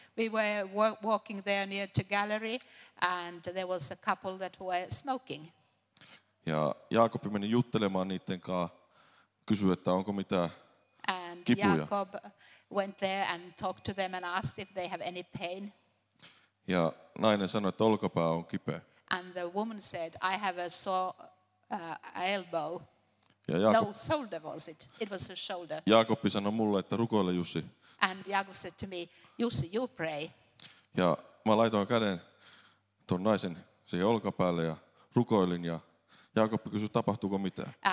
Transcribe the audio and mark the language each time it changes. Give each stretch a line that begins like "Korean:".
English: We were walking there near to gallery and there was a couple that were smoking.
Finnish: Ja Jaakob meni juttelemaan niitten kanssa, kysyi, että onko mitään kipuja.
English: And Jacob went there and talked to them and asked if they have any pain.
Finnish: Ja nainen sanoi, että olkapää on kipeä.
English: And the woman said, I have a sore elbow.
Finnish: Ja Jaakob...
English: No, shoulder was it. It was a shoulder.
Finnish: Jaakob sanoi mulle, että rukoile Jussi.
English: And Jacob said to me, Jussi, you pray.
Finnish: Ja mä laitoin käden tuon naisen siihen olkapäälle ja rukoilin ja Jaakob kysyi, tapahtuuko mitään.